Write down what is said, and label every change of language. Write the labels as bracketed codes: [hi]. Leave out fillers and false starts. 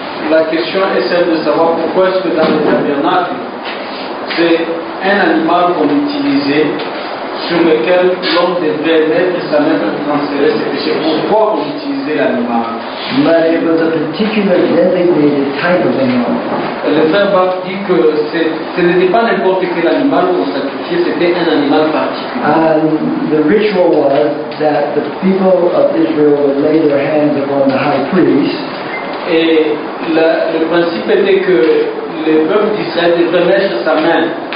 [fr] La question est celle de savoir pourquoi est-ce que dans le tabernacle, c'est un animal qu'on utilisait sur lequel l'homme devait mettre sa main pour transférer ses péchés. Pourquoi on utilisait l'animal? [en] But it was a particular designated type of animal. [fr] le frère Bach dit que ce n'était pas n'importe quel animal qu'on sacrifiait, c'était un animal particulier. [en] The ritual was that the people of Israel would lay their hands upon the high priest. [fr] Et le principe était que le peuple d'Israël devait mettre sa main.